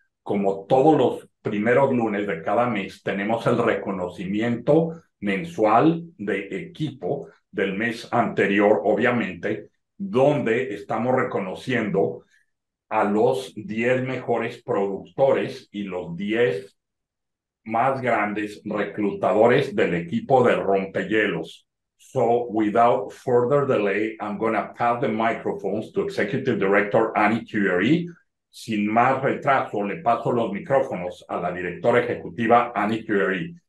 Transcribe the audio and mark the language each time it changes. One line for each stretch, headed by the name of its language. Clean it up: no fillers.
Spanish: Como todos los primeros lunes de cada mes, tenemos el reconocimiento mensual de equipo del mes anterior, obviamente, donde estamos reconociendo a los 10 mejores productores y los 10 más grandes reclutadores del equipo de Rompehielos.
English: So without further delay, I'm going to pass the microphones to Executive Director Annie Curie.
Spanish: Sin más retraso, le paso los micrófonos a la directora ejecutiva Annie Curie.